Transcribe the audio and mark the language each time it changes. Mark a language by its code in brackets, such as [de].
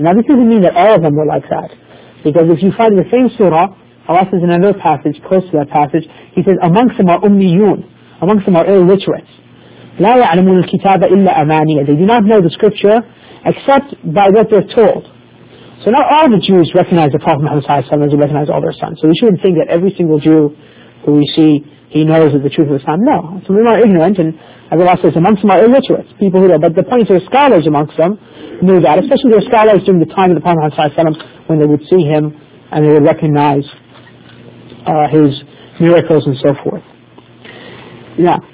[en] Now this doesn't mean that all of them were like that. Because if you find the same surah, Allah says in another passage, close to that passage, he says, amongst them are ummiyun, amongst them are illiterates. [ar] لا يعلمون الكتاب إلا أمانية. [en] They do not know the scripture except by what they're told. So not all the Jews recognize the Prophet Muhammad Sallallahu Alaihi Wasallam as they recognize all their sons. So we shouldn't think that every single Jew who we see, he knows the truth of Islam. No. Some of them are ignorant, and as Allah says, amongst them are illiterates, people who know. But the point is, there are scholars amongst them knew that, especially there are scholars during the time of the Prophet Muhammad Sallallahu Alaihi Wasallam, when they would see him and they would recognize his miracles and so forth. Yeah.